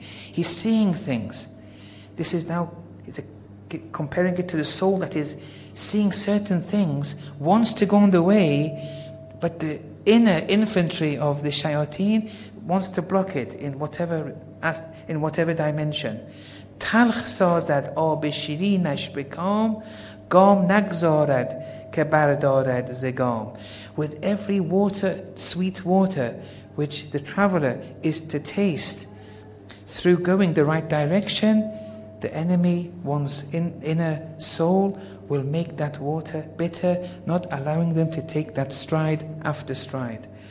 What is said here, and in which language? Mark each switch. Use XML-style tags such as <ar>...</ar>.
<en>He's seeing things. This is now, he's comparing it to the soul that is seeing certain things, wants to go on the way, but the inner infantry of the shayateen wants to block it in whatever dimension.</en> <fa>تلخ سازد آب شیرینش بکام گام نگذارد که بردارد زگام.</fa> <en>With every water, sweet water, which the traveler is to taste through going the right direction, The enemy, one's inner soul, will make that water bitter, not allowing them to take that stride after stride.</en>